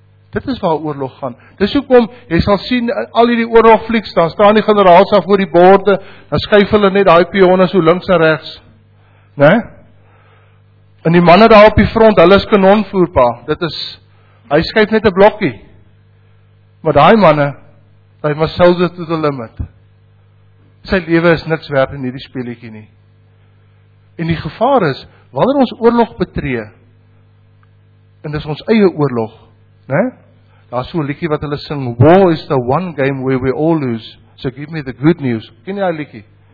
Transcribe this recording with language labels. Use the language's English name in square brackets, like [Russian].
[Afrikaans] Dit is waar oorlog gaan. Dis hoekom jy sal sien al hierdie oorlogflieks, daar staan die generaals af voor die borde, dan skuif hulle net daai pionne so links en regs. Né? En die manne daar op die front, hulle is kanonvoerpa. Dit is, hy skuif net 'n blokkie. Maar daai manne, hy was selfs tot [English] the limit. [Afrikaans] Sy lewe is niks werd in hierdie speletjie nie. En die gevaar is, wanneer ons oorlog betree, en dis ons eie oorlog, né? Daar is so 'n liedjie wat hulle sing, [English] "War is the one game where we all lose, so give me the good news." [Afrikaans] Ken jy daai liedjie?